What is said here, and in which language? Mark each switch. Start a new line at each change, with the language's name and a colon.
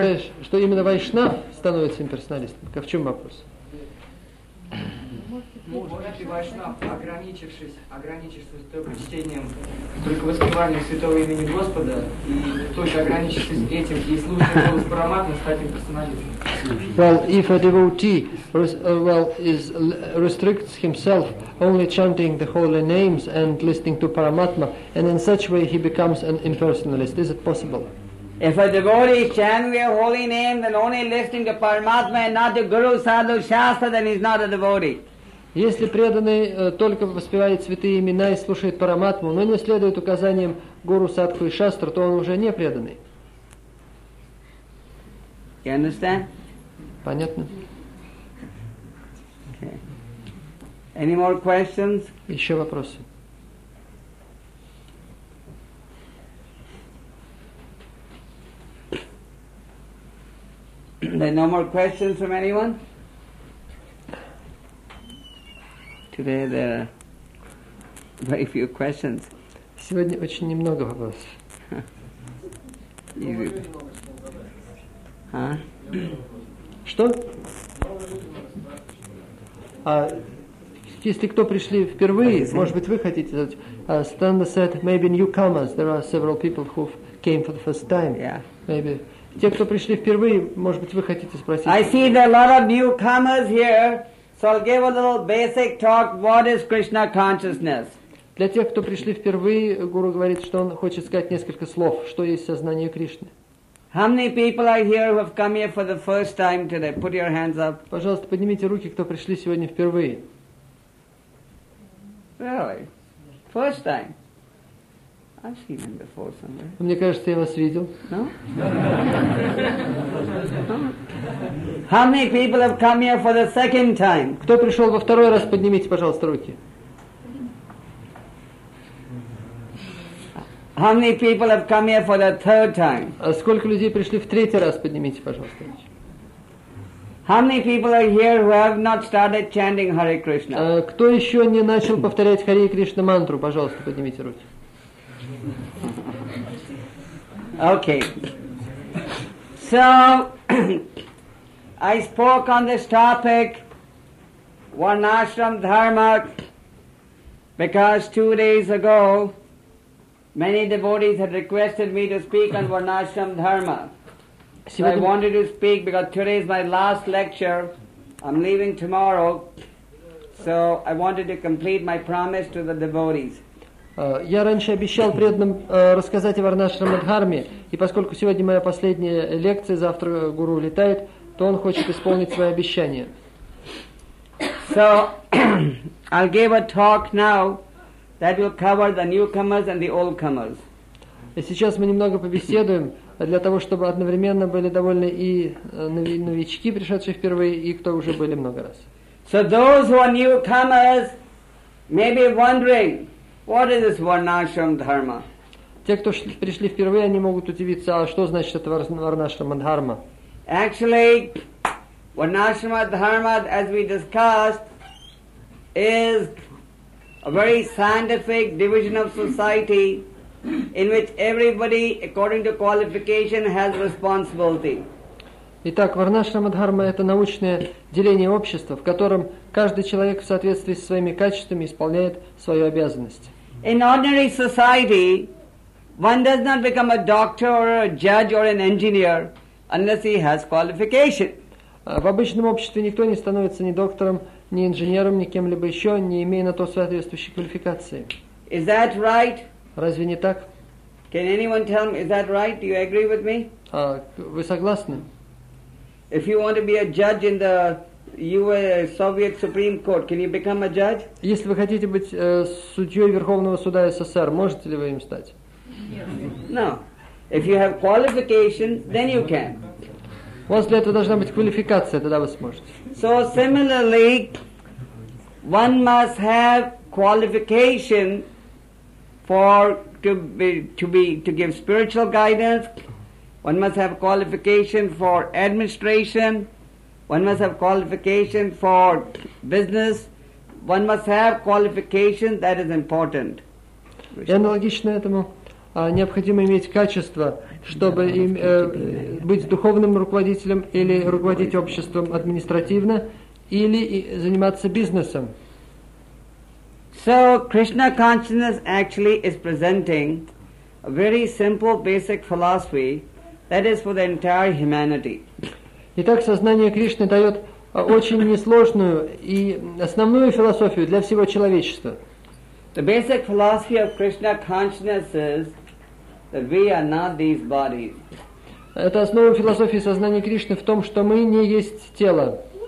Russian: Ты считаешь, что именно Вайшнав становится имперсоналистом? В чем вопрос? Может ли Вайшнав, ограничившись только чтением, только воспеванием святого имени Господа, и только ограничившись этим, и слушая голос Параматмы, стать имперсоналистом?
English: Well, if a devotee restricts himself only chanting the holy names and listening to Paramatma, and in such way he becomes an impersonalist, is it possible? If a devotee chants a holy name and only listening to Paramatma and not to Guru, Sadhu, Shastra, then he's not a devotee.
Russian: Если преданный только воспевает святые имена и слушает Параматму, но не следует указаниям Гуру, Садху и Шастра, то он уже не преданный.
English: You understand?
Russian: Понятно.
English: Okay. Any more questions?
Russian: Еще вопросы.
English: There no more questions from anyone? Today there are very few questions.
Russian: Сегодня очень немного вопросов.
English: Easy.
Russian: А? Что? А, если кто пришли впервые, может быть, вы хотите задать?
English: Standa said, maybe newcomers. There are several people who came for the first time. Yeah. Maybe.
Russian: Те, кто пришли впервые, может быть, вы хотите спросить?
English: I see there are a lot of newcomers here, so I'll give a little basic talk. What is Krishna consciousness?
Russian: Для тех, кто пришли впервые, гуру говорит, что он хочет сказать несколько слов. Что есть сознание Кришны?
English: How many people are here who have come here for the first time today? Put your hands up.
Russian: Пожалуйста, поднимите руки, кто пришли сегодня впервые.
English: Really? First time? I've seen them before somewhere.
Russian: Мне кажется, я вас видел.
English: No? How many people have come here for the second time?
Russian: Кто пришел во второй раз, поднимите, пожалуйста, руки.
English: How many people have come here for the third time?
Russian: А сколько людей пришли в третий раз? Поднимите, пожалуйста.
English: How many people are here who have not started chanting Hare Krishna?
Russian: Кто еще не начал повторять Харе Кришна мантру? Пожалуйста, поднимите руки.
English: Okay. So, I spoke on this topic, Varnashram Dharma, because 2 days ago, many devotees had requested me to speak on Varnashram Dharma. So I wanted to speak because today is my last lecture. I'm leaving tomorrow. So I wanted to complete my promise to the devotees.
Russian: Я раньше обещал преданным рассказать о Варнашрама Дхарме, и поскольку сегодня моя последняя лекция, завтра гуру улетает, то он хочет исполнить свое обещание.
English: So I'll give a talk now. That will cover the newcomers and the old comers.
Russian: И сейчас мы немного побеседуем для того, чтобы одновременно были довольны и новички, пришедшие впервые, и кто уже были много раз.
English: So those who are newcomers may be wondering, what is this Varnashram Dharma?
Russian: Те, кто пришли впервые, они могут удивиться, а что значит это Варнашрама Дхарма?
English: Actually, Varnashrama Dharma, as we discussed, is a very scientific division of society in which everybody, according to qualification, has responsibility.
Russian: Итак, Варнашрама Дхарма – это научное деление общества, в котором каждый человек в соответствии со своими качествами исполняет свою обязанность.
English: In ordinary society, one does not become a doctor or a judge or an engineer unless he has qualification.
Russian: В обычном обществе никто не становится ни доктором, ни инженером, ни кем-либо еще, не имея на то соответствующей квалификации.
English: Is that right?
Russian: Разве не так?
English: Can anyone tell me, is that right? Do you agree with me?
Russian: Вы согласны?
English: If you want to be a judge in the US Soviet Supreme Court, can you become a judge?
Russian: Если вы хотите быть судьей Верховного Суда СССР, можете ли вы им стать?
English: No. If you have qualification, then you can.
Russian: У вас для этого должна быть квалификация, тогда вы сможете.
English: So similarly, one must have qualification for to give spiritual guidance. One must have qualification for administration. One must have qualification for business. One must have qualification that is important.
Russian: И аналогично этому необходимо иметь качество, чтобы быть духовным руководителем или руководить обществом административно, или заниматься бизнесом.
English: So Krishna consciousness actually is presenting a very simple basic philosophy that is for the entire humanity.
Russian: Итак, сознание Кришны дает очень несложную и основную философию для всего человечества.
English: The basic philosophy of Krishna consciousness is that we are not these bodies.
Russian: Это основа философии сознания Кришны в том, что мы не есть тело.